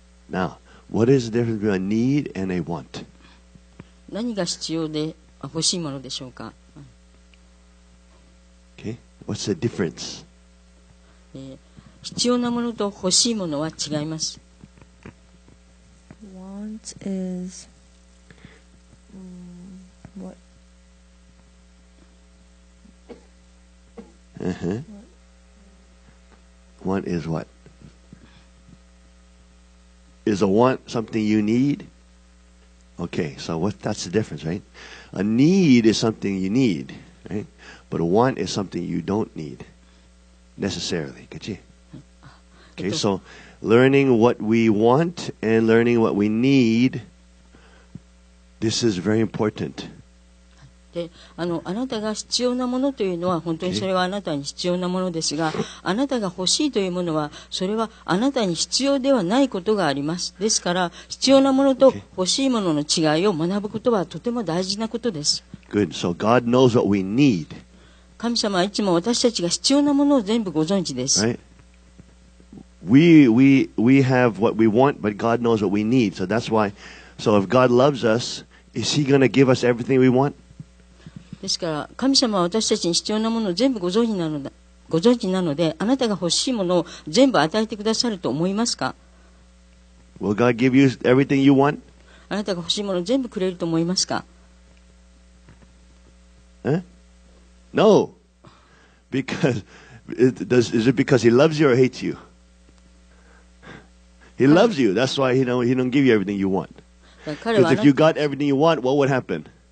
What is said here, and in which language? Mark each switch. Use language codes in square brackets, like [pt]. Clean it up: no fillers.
[en] Now, what is the difference between a need and a want? [ja] 何が必要で欲しいものでしょうか。 [en] What's the difference? [ja] 必要なものと欲しいものは違います。 [en] Want is what? Uh-huh. Want is what? Is a want something you need? Okay, so that's the difference, right? A need is something you need, right? But a want is something you don't need necessarily. Okay, so learning what we want and learning what we need, this is very important. [ja] あなたが必要なものというのは本当にそれはあなたに必要なものですが、あなたが欲しいというものはそれはあなたに必要ではないことがあります。ですから必要なものと欲しいものの違いを学ぶことはとても大事なことです。 [en] Good. So God knows what we need. [ja] 神様はいつも私たちが必要なものを全部ご存知です、 [en] right? We have what we want, but God knows what we need. So that's why. So if God loves us, is He going to give us everything we want? [ja] ですから神様は私たちに必要なものを全部ご存知なのだ、ご存知なので、あなたが欲しいものを全部与えてくださると思いますか? [en] Will God give you everything you want? [ja] あなたが欲しいものを全部くれると思いますか? [en] Huh? No. Is it because He loves you or hates you? He loves you. That's why he don't give you everything you want. Because if you got everything you want, what would happen?